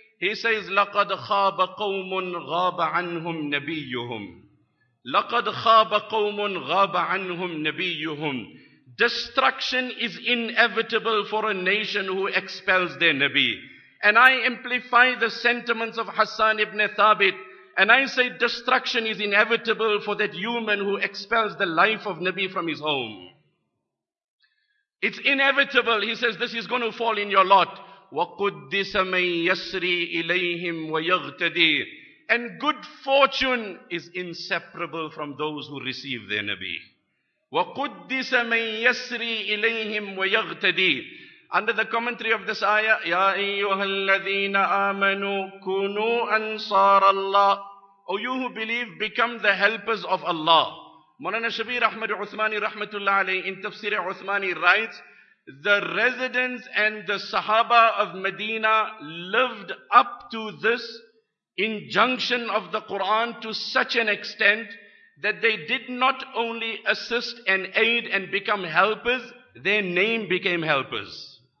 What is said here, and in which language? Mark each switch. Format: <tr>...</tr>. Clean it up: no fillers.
<en>He says,</en> <ar>لَقَدْ خَابَ قَوْمٌ غَابَ عَنْهُمْ نَبِيُّهُمْ لَقَدْ خَابَ قَوْمٌ غَابَ عَنْهُمْ نَبِيُّهُمْ.</ar> <en>Destruction is inevitable for a nation who expels their Nabi. And I amplify the sentiments of Hassan ibn Thabit, and I say destruction is inevitable for that human who expels the life of Nabi from his home. It's inevitable, he says, this is going to fall in your lot.</en> <ar>وَقُدِّسَ مَنْ يَسْرِي إِلَيْهِمْ وَيَغْتَدِي.</ar> <en>And good fortune is inseparable from those who receive their Nabi.</en> <ar>وَقُدِّسَ مَنْ يَسْرِي إِلَيْهِمْ وَيَغْتَدِي.</ar> <en>Under the commentary of this ayah,</en> <ar>يَا أَيُّهَا الَّذِينَ آمَنُوا كُنُوا أَنصَارَ اللَّهِ.</ar> <en>O you who believe, become the helpers of Allah. Mawlana Shabir Ahmad Uthmani rahmatullah alayhi in Tafsir Uthmani writes, the residents and the Sahaba of Medina lived up to this injunction of the Quran to such an extent that they did not only assist and aid and become helpers, their name became helpers.</en>